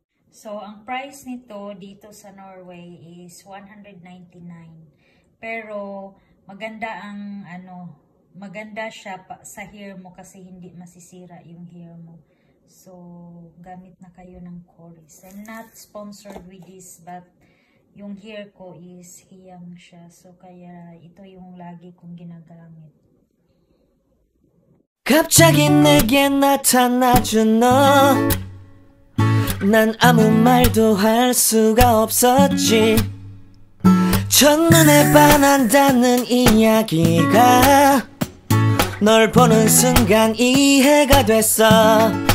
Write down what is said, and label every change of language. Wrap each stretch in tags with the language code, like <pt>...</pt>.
<tl>So, ang price nito dito sa Norway is 199. Pero, maganda ang ano, maganda siya sa hair mo kasi hindi masisira yung hair mo. So, gamit na kayo ng Korres.</tl> <en>I'm not sponsored with this, but yung hair ko is</en> <tl>hiyang siya. So, kaya ito yung lagi kong ginagamit.</tl> <ko>갑자기 내게 나타나죠 너. 난 아무 말도 할 수가 없었지. 첫눈에 반한다는 이야기가 널 보는 순간 이해가 됐어.</ko>